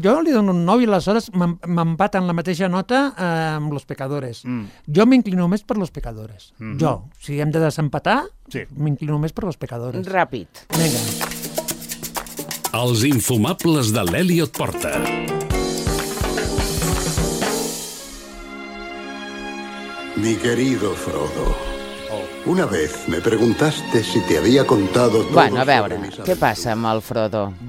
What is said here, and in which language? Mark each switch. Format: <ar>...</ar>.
<ca>Jo li dono un 9 i aleshores m'empaten la mateixa nota amb Los Pecadores. Jo m'inclino més per Los Pecadores. Jo, si hem de desempatar... Sí. M'inclino més per Los Pecadores. Ràpid. Vinga. Els infumables de l'Eliot Porta.</ca> <es>Mi querido Frodo, una vez me preguntaste si te había contado todo.</es> <ca>Bueno, a veure, què passa amb el Frodo?</ca>